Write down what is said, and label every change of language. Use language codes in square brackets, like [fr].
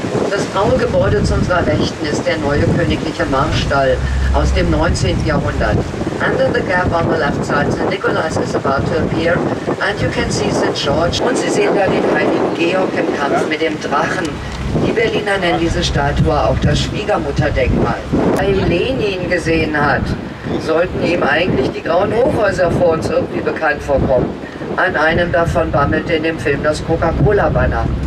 [de] Das braue Gebäude zu unserer Rechten ist der neue königliche Marstall aus dem 19. [en] Jahrhundert. Under the gap on the left side, St. Nicholas is about to appear, and you can see St. George. [de] Und Sie sehen da den heiligen Georg im Kampf mit dem Drachen. Die Berliner nennen diese Statue auch das Schwiegermutterdenkmal. Weil Lenin gesehen hat, sollten ihm eigentlich die grauen Hochhäuser vor uns irgendwie bekannt vorkommen. An einem davon bammelte in dem Film das Coca-Cola-Banner.